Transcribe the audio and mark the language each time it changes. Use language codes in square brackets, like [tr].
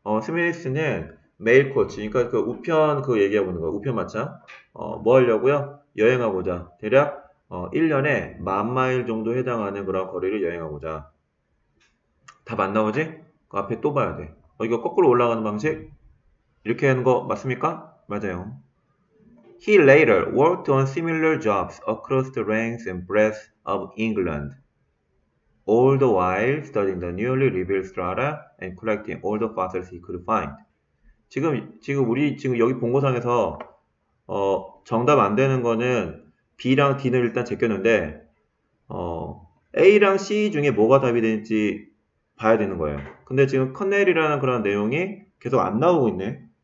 [ko] 스미스는 메일 코치, 그러니까 그 우편 그 얘기해 보는 거, 우편 마차. 뭐 하려고요? 여행하고자. 대략 1년에 만 마일 정도 해당하는 그런 거리를 여행하고자. 답 안 나오지? 그 앞에 또 봐야 돼. 이거 거꾸로 올라가는 방식? 이렇게 하는 거 맞습니까? 맞아요. [en] He later worked on similar jobs across the length and breadth of England. All the while studying the newly revealed strata and collecting all the fossils he could find. [ko] 지금 우리 지금 여기 본고상에서 정답 안 되는 거는 B랑 D는 일단 제꼈는데 A랑 C 중에 뭐가 답이 되는지 봐야 되는 거예요. 근데 지금 커넬이라는 그런 내용이 계속 안 나오고 있네.